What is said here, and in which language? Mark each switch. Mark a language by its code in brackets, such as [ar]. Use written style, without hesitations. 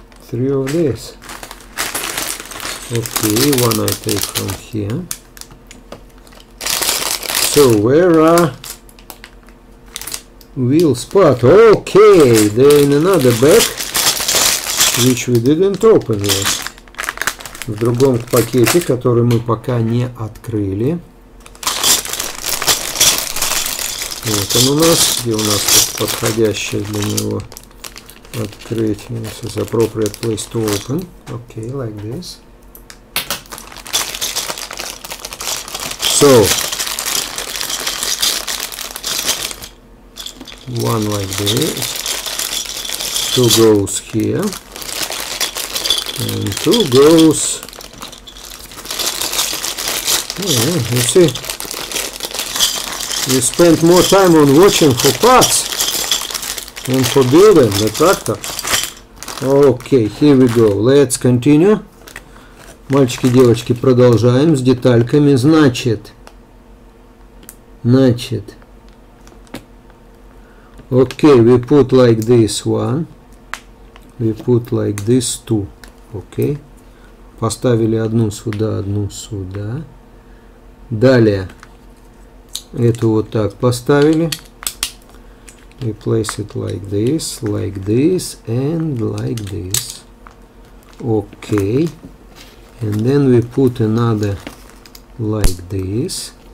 [en] Three of this. Okay, one I take from here. So where are wheel spot? Okay, they're in another bag, which we didn't open yet. [ru] В другом пакете, который мы пока не открыли. Вот он у нас, где у нас подходящее для него открытие. [en] This is appropriate place to open. Okay, like this. So one like this, two goes here, and two goes, yeah, you see, you spend more time on watching for parts than for building the tractor. Okay, here we go, let's continue. [ru] Мальчики, девочки, продолжаем с детальками. Значит, [en] okay, we put like this one, we put like this two, okay. [ru] Поставили одну сюда, одну сюда. Далее, эту вот так поставили. [en] We place it like this, and like this. Okay, and then we put another like this.